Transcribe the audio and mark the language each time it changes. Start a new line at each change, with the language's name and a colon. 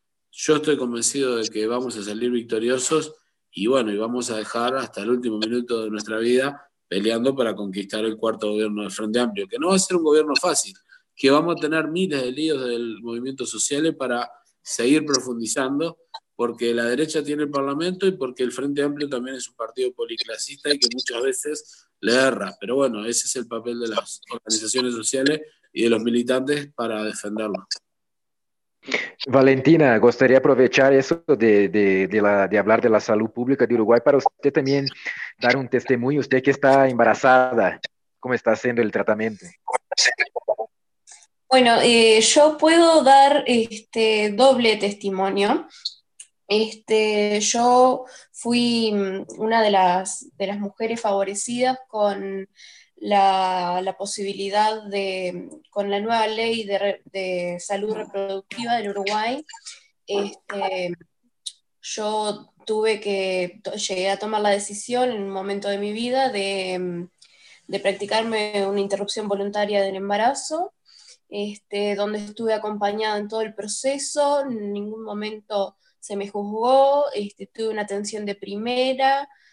Spanish: Yo estoy convencido de que vamos a salir victoriosos, y bueno, y vamos a dejar hasta el último minuto de nuestra vida peleando para conquistar el cuarto gobierno del Frente Amplio, que no va a ser un gobierno fácil, que vamos a tener miles de líos del movimiento social para seguir profundizando, porque la derecha tiene el Parlamento y porque el Frente Amplio también es un partido policlasista y que muchas veces le erra. Pero bueno, ese es el papel de las organizaciones sociales y de los militantes para defenderlo.
Portuguese: Valentina, gostaria de aproveitar isso de falar
Spanish: de la salud pública
Portuguese: de Uruguai para você também dar um testemunho. Você que está embarazada, como está sendo o tratamento?
Spanish: Bueno, yo puedo dar doble testimonio. Yo fui una de las mujeres favorecidas con la posibilidad de, con la nueva ley de salud reproductiva del Uruguay, yo tuve que, llegué a tomar la decisión en un momento de mi vida de practicarme una interrupción voluntaria del embarazo, donde estuve acompañada en todo el proceso, en ningún momento se me juzgó, tuve una atención de primera,